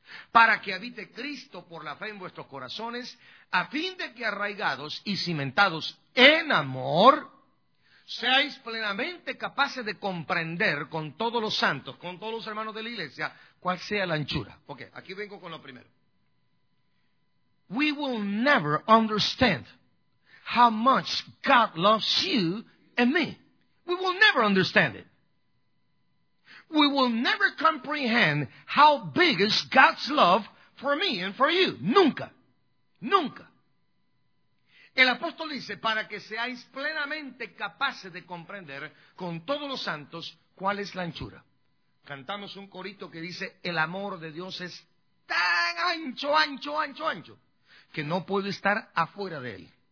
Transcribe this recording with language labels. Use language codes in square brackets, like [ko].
[es] para que habite Cristo por la fe en vuestros corazones, a fin de que arraigados y cimentados en amor, seáis plenamente capaces de comprender con todos los santos, con todos los hermanos de la iglesia, cuál sea la anchura. Ok, aquí vengo con lo primero. [en] We will never understand how much God loves you and me. We will never understand it. We will never comprehend how big is God's love for me and for you. [es] Nunca. Nunca. El apóstol dice, para que seáis plenamente capaces de comprender con todos los santos cuál es la anchura. Cantamos un corito que dice, el amor de Dios es tan ancho, ancho, ancho, ancho, que no puedo estar afuera de él.